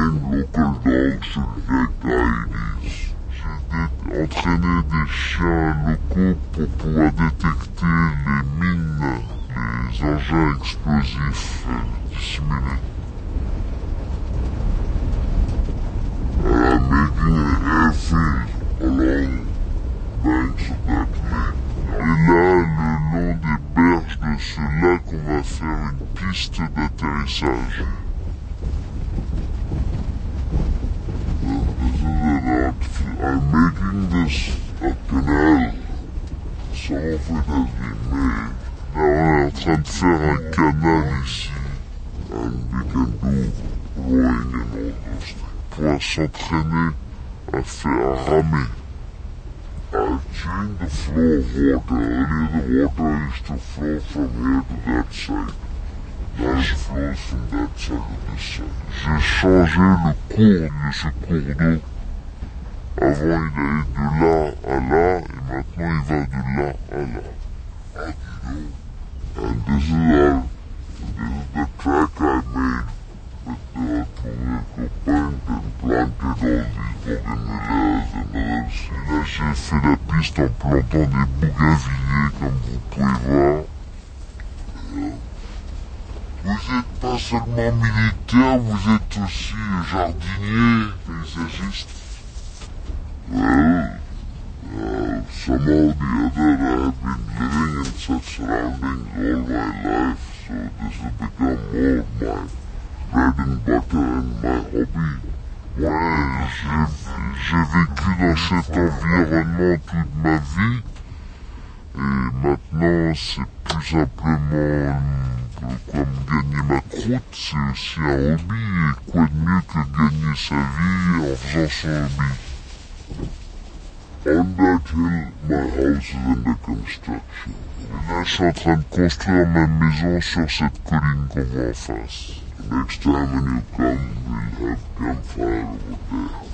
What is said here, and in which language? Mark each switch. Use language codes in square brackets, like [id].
[en] Local dogs to get IDs. [fr] J'ai entraîné des chiens locaux pour pouvoir détecter les mines, les engins explosifs dissimulés. [en] I'm making an airfield along banks of that lake. [fr] Et là, le long des berges de ce lac, on va faire une piste d'atterrissage. [en] Thank you. has been made. Now I am trying to fill a canal ici. And we can do rowing and all those things. [fr] Pour s'entraîner à faire ramer. [en] I changed the flow of water. Earlier the water used to flow from here to that side. Now it flows from that side to this side. [fr] J'ai changé le cours de ce cours d'eau. Avant il allait de là à là, et maintenant il va de là à là. [en] And you know, and this is all. This is the track I made with the tomato paint and planted all these bougainvilleas and others. [fr] Et là j'ai fait la piste en plantant des bougainvilliers comme vous pouvez voir. Vous êtes pas seulement militaire, vous êtes aussi jardinier, paysagiste. [en] Somehow or the other I have been living in such surroundings all my life, so this has become more of my bread and butter and my hobby. [fr] Ouais, j'ai vécu dans cet environnement toute ma vie, et maintenant c'est plus simplement comme gagner ma croûte, c'est aussi un hobby, et quoi de mieux que gagner sa vie en faisant son hobby. [en] On that hill, my house is under construction. [fr] Et là, je suis en train de construire ma maison sur cette colline qu'on voit en face. [en] Next time when you come, we'll have campfire over there.